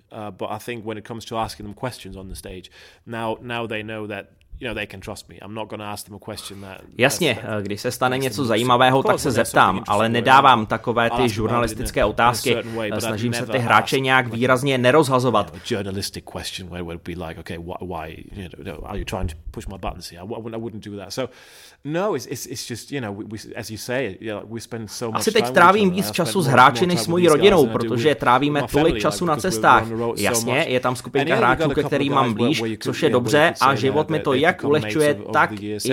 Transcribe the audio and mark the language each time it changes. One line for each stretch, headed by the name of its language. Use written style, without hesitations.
English: But I think when it comes to asking them questions on the stage, now they know that you know, they can trust me. I'm not going to ask them a question that.
Czech: Jasně, když se stane něco zajímavého, tak se zeptám, ale nedávám takové ty žurnalistické otázky. Snažím se ty hráče nějak výrazně nerozhazovat.
English: Journalistic question where would be like, okay, why, you know, are you trying to push my buttons here? I wouldn't do that. So no, it's just, you know, we as you say, you know, we spend so much time.
Czech: Asi teď trávím víc času s hráči než s mojí rodinou, protože trávíme tolik času na cestách. Jasně, je tam skupinka hráčů, ke kterým mám blíž, což je dobře a život mi to jak ulehčuje, tak i